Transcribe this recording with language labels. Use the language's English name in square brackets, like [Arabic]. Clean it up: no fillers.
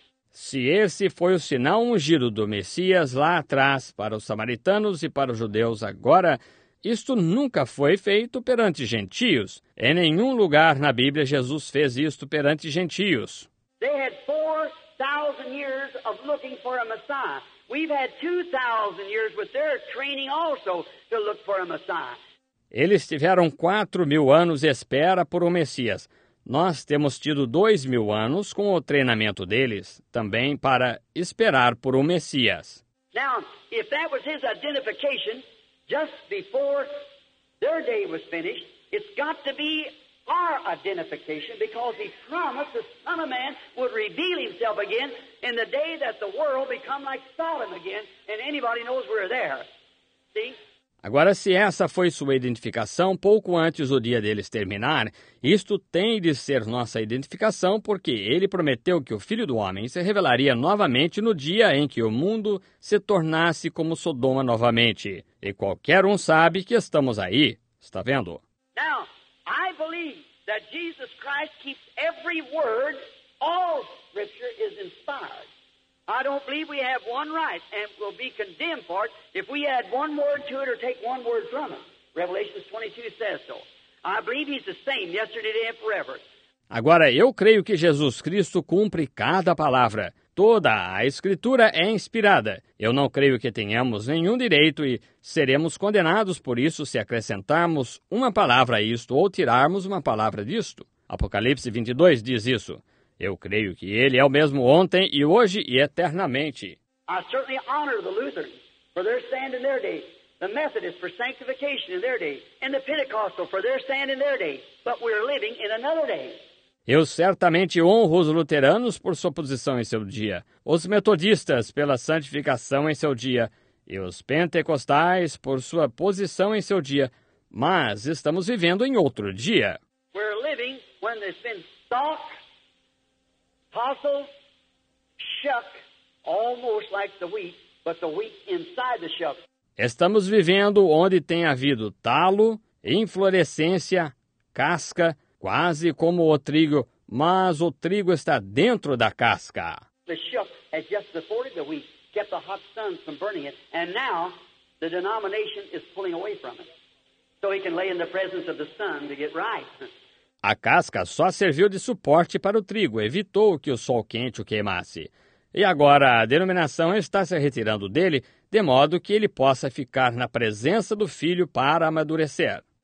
[Portuguese] Se esse foi o sinal ungido do Messias lá atrás para os samaritanos e para os judeus agora, isto nunca foi feito perante gentios. Em nenhum lugar na Bíblia Jesus fez isto perante gentios. [English] They had 4,000 years of looking for a Messiah. We've had 2,000 years with their training also to look for a Messiah. [Portuguese] Eles tiveram 4,000 anos de espera por um Messias. Nós temos tido 2,000 anos com o treinamento deles, também para esperar por um Messias. [English] Now, if that was his identification, just before their day was finished, it's got to be our identification, because he promised the Son of Man would reveal himself again in the day that the world become like Sodom again, and anybody knows we're there. See? [Portuguese] Agora, se essa foi sua identificação pouco antes do dia deles terminar, isto tem de ser nossa identificação, porque ele prometeu que o Filho do Homem se revelaria novamente no dia em que o mundo se tornasse como Sodoma novamente. E qualquer um sabe que estamos aí. Está vendo? [English] Now, I believe that Jesus Christ keeps every word, all scripture is inspired. I don't believe we have one right and will be condemned for it if we add one word to it or take one word from it. Revelation 22 says so. I believe he's the same yesterday, today and forever. [Portuguese] Agora, eu creio que Jesus Cristo cumpre cada palavra. Toda a Escritura é inspirada. Eu não creio que tenhamos nenhum direito e seremos condenados por isso se acrescentarmos uma palavra a isto ou tirarmos uma palavra disto. Apocalipse 22 diz isso. Eu creio que ele é o mesmo ontem e hoje e eternamente. [English] I certainly honor the Lutherans for their stand in their day, the Methodists for sanctification in their day, and the Pentecostal for their stand in their day, but we're living in another day. [Portuguese] Eu certamente honro os luteranos por sua posição em seu dia, os metodistas pela santificação em seu dia, e os pentecostais por sua posição em seu dia, mas estamos vivendo em outro dia. [English] We're living when there's been stock, tossed, shuck, almost like the wheat, but the wheat inside the shuck. [Portuguese] Estamos vivendo onde tem havido talo, inflorescência, casca, quase como o trigo, mas o trigo está dentro da casca. [English] The shuck has just supported the wheat, kept the hot sun from burning it, and now the denomination is pulling away from it, so he can lay in the presence of the sun to get right. [Portuguese] A casca só serviu de suporte para o trigo, evitou que o sol quente o queimasse. E agora a denominação está se retirando dele, de modo que ele possa ficar na presença do filho para amadurecer.